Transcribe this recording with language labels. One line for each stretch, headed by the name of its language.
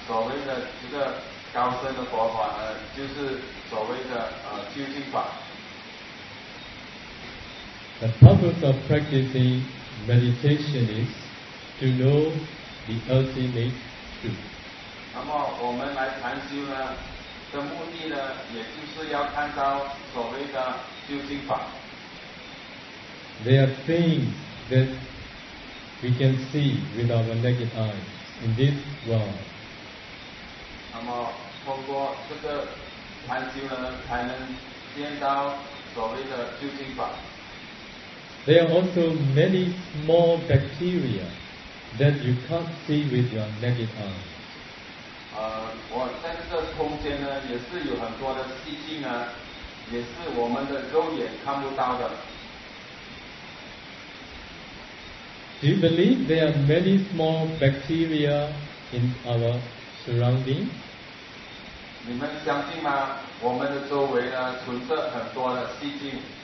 Chinese: 所谓的这个高深的佛法呢，就是所谓的究竟法。
English: The purpose of practicing meditation is to know the ultimate truth.
Chinese: 那么我们来禅修呢的目的呢，也就是要看到所谓的究竟法。
English: There are things that we can see with our naked eyes in this world.
Chinese: 那么通过这个禅修呢，才能见到所谓的究竟法。
English: There are also many small bacteria that you can't see with your naked eye.
Chinese: 我在这个空间呢，也是有很多的细菌呢，也是我们的肉眼看不到的。
English: Do you believe there are many small bacteria in our surrounding?
Chinese: 你们相信吗？我们的周围呢，存着很多的细菌。